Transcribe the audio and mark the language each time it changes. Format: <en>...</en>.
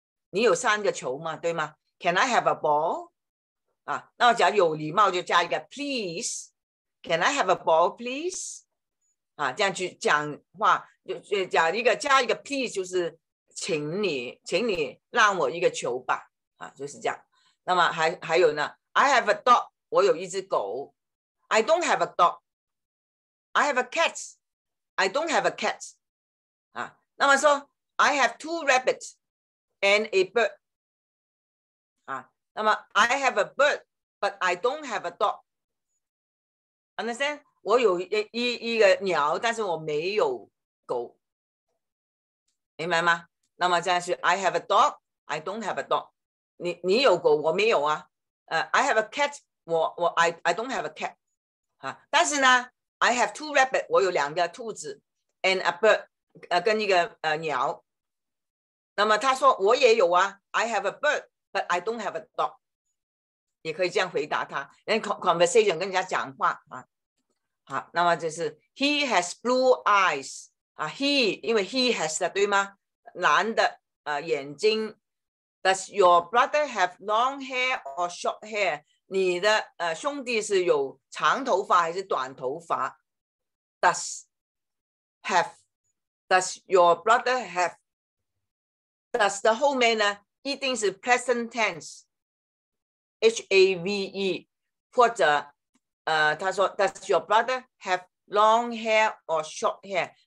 <zh>你有三个球吗？对吗？</zh> <en>Can I have a ball？</en> <zh>那我只要有礼貌就加一个 Please，</zh> <en>Can I have a ball please？</en> <zh>这样去讲话，就讲一个加一个 please， 就是请你让我一个球吧，就是这样。那么 还有呢，</zh> <en>I have a dog，</en> <zh>我有一只狗。</zh> <en>I don't have a dog， I have a cat， I don't have a cat。</en> <zh>那么说</zh> <en>I have two rabbits and a bird。那么 I have a bird but I don't have a dog， understand？</en> <zh>我有 一个鸟，但是我没有狗，明白吗？那么这样是</zh> <en>I have a dog， I don't have a dog。</en> <zh>你有狗，我没有啊。</zh> <en>I have a cat， 我 I don't have a cat。</en> <zh>但是呢</zh> <en>I have two rabbits，</en> <zh>我有两个兔子</zh> <en>and a bird、</en> <zh>跟一个、鸟。那么他说我也有啊，</zh> <en>I have a bird but I don't have a dog，</en> <zh>也可以这样回答他 conversation， 跟人家讲话、那么就是</zh> <en>he has blue eyes、</en> <zh>he 因为 he has 的，对吗？蓝的、眼睛。</zh> <en>Does your brother have long hair or short hair？</en> <zh>你的、兄弟是有长头发还是短头发？</zh> <en>Does have， Does your brother have， Does</en> <zh>的后面呢一定是</zh> <en>present tense， have，</en> <zh>或者他说</zh> <en>Does your brother have long hair or short hair？</en>